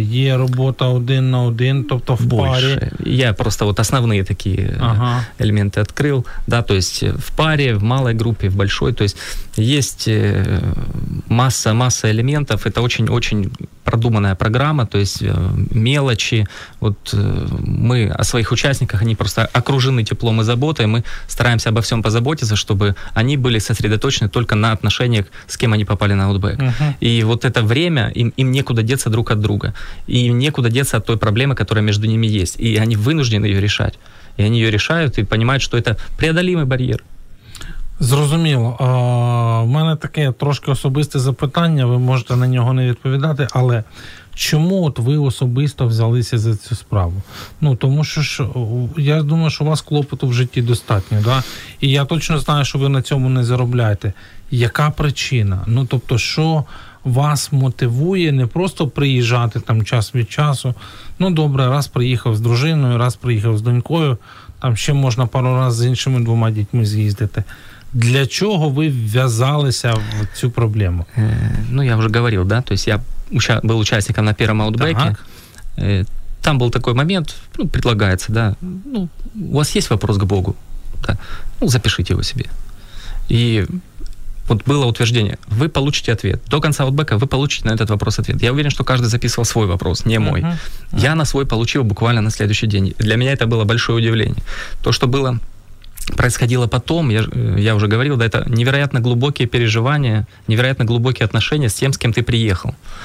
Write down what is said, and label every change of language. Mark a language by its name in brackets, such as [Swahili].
[Ukrainian] Є робота один на один, тобто в парі. [Russian] Я просто вот основные такие элементы открыл. Да, то есть в паре, в малой группе, в большой. То есть есть масса элементов. Это очень-очень продуманная программа, то есть мелочи. Вот мы о своих участниках, они просто окружены теплом и заботой, мы стараемся обо всем позаботиться, чтобы они были сосредоточены только на отношениях, с кем они попали на Outback. И вот это время, им некуда деться друг от друга, и им некуда деться от той проблемы, которая между ними есть, и они вынуждены ее решать. И они ее решают и понимают, что это преодолимый барьер. [Ukrainian] Зрозуміло. У мене таке трошки особисте запитання, ви можете на нього не відповідати, але чому от ви особисто взялися за цю справу? Ну, тому що я думаю, що у вас клопоту в житті достатньо, да? І я точно знаю, що ви на цьому не заробляєте. Яка причина? Ну, тобто, що вас мотивує не просто приїжджати там час від часу, ну, добре, раз приїхав з дружиною, раз приїхав з донькою, там ще можна пару разів з іншими двома дітьми з'їздити. Для чого ви вв'язалися в цю проблему? Ну, я вже говорив, да? [Russian] То есть [Ukrainian] я був учасником на першому аутбеку. Так. Там був такий момент, ну, предлагається, да? Ну, у вас є [Russian] вопрос к Богу? [Ukrainian] Да? Ну, запишіть його собі. [Russian] І вот было утверждение, вы получите ответ. До конца аутбека вы получите на этот вопрос ответ. Я уверен, что каждый записывал свой вопрос, не мой. Я на свой получил буквально на следующий день. Для меня это было большое удивление. То, что было, происходило потом, я уже говорил, да, это невероятно глубокие переживания, невероятно глубокие отношения с тем, с кем ты приехал.